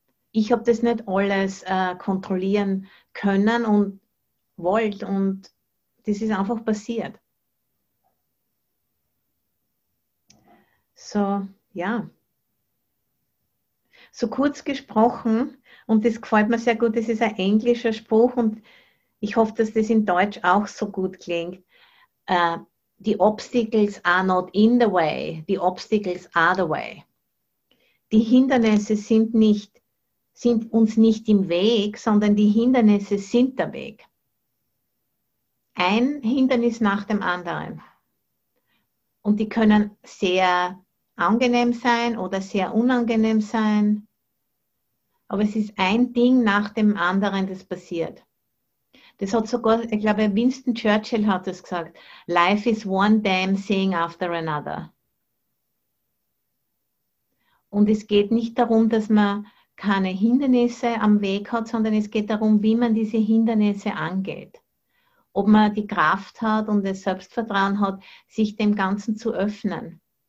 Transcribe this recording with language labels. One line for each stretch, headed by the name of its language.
German: Ich habe das nicht alles kontrollieren können und wollt und das ist einfach passiert. So, ja. So kurz gesprochen und das gefällt mir sehr gut. Das ist ein englischer Spruch und ich hoffe, dass das in Deutsch auch so gut klingt.
English: The obstacles are not in the way, the obstacles are the way.
German: Die Hindernisse sind uns nicht im Weg, sondern die Hindernisse sind der Weg. Ein Hindernis nach dem anderen. Und die können sehr angenehm sein oder sehr unangenehm sein. Aber es ist ein Ding nach dem anderen, das passiert. Das hat sogar, ich glaube, Winston Churchill hat das gesagt.
English: Life is one damn thing after another.
German: Und es geht nicht darum, dass man keine Hindernisse am Weg hat, sondern es geht darum, wie man diese Hindernisse angeht. Ob man die Kraft hat und das Selbstvertrauen hat, sich dem Ganzen zu öffnen.